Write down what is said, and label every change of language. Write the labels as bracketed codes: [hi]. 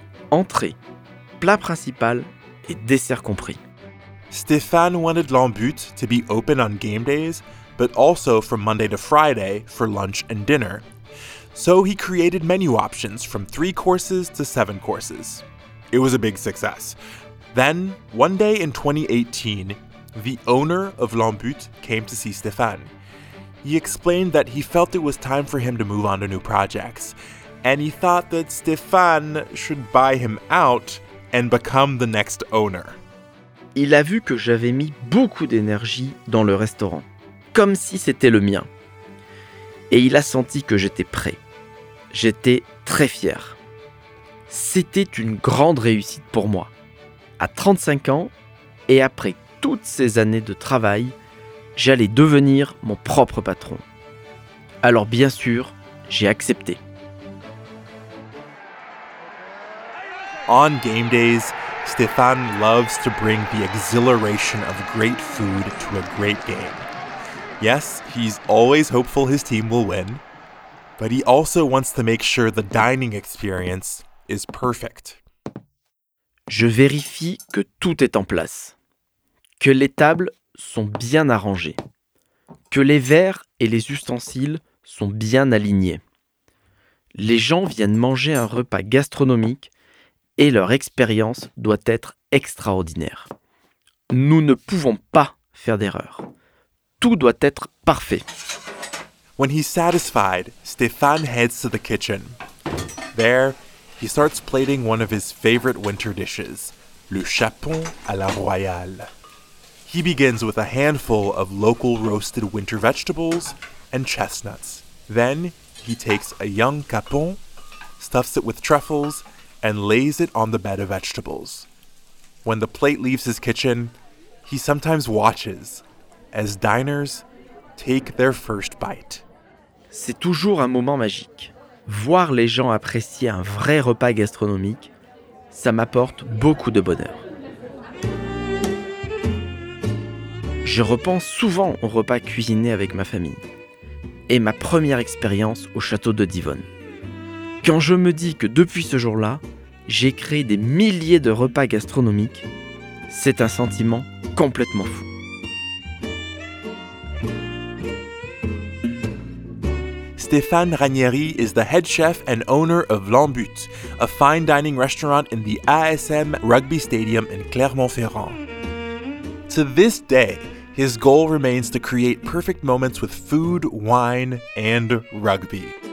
[fr] Entrée, plat principal et dessert compris. [en] Stéphane wanted L'Embûte to be open on game days, but also from Monday to Friday for lunch and dinner. So he created menu options from 3 courses to 7 courses. It was a big success. Then, one day in 2018, the owner of L'Embûte came to see Stéphane. He explained that he felt it was time for him to move on to new projects, and he thought that Stéphane should buy him out and become the next owner. [fr] Il a vu que j'avais mis beaucoup d'énergie dans le restaurant, comme si c'était le mien. Et il a senti que j'étais prêt. J'étais très fier. C'était une grande réussite pour moi. À 35 ans, et après toutes ces années de travail, j'allais devenir mon propre patron. Alors bien sûr, j'ai accepté. [en] On game days, Stéphane loves to bring the exhilaration of great food to a great game. Yes, he's always hopeful his team will win, but he also wants to make sure the dining experience is perfect. [fr] Je vérifie que tout est en place, que les tables sont bien arrangées, que les verres et les ustensiles sont bien alignés. Les gens viennent manger un repas gastronomique et leur expérience doit être extraordinaire. Nous ne pouvons pas faire d'erreur. Tout doit être parfait. [en] When he's satisfied, Stéphane heads to the kitchen. There, he starts plating one of his favorite winter dishes, [fr] le chapon à la royale. [en] He begins with a handful of local roasted winter vegetables and chestnuts. Then, he takes a young capon, stuffs it with truffles, and lays it on the bed of vegetables. When the plate leaves his kitchen, he sometimes watches as diners take their first bite. [fr] C'est toujours un moment magique. Voir les gens apprécier un vrai repas gastronomique, ça m'apporte beaucoup de bonheur. Je repense souvent au repas cuisiné avec ma famille et ma première expérience au château de Divonne. Quand je me dis que depuis ce jour-là, j'ai créé des milliers de repas gastronomiques, c'est un sentiment complètement fou. [en] Stéphane Ranieri is the head chef and owner of L'Embut, a fine dining restaurant in the ASM Rugby Stadium in Clermont-Ferrand. To this day, his goal remains to create perfect moments with food, wine, and rugby.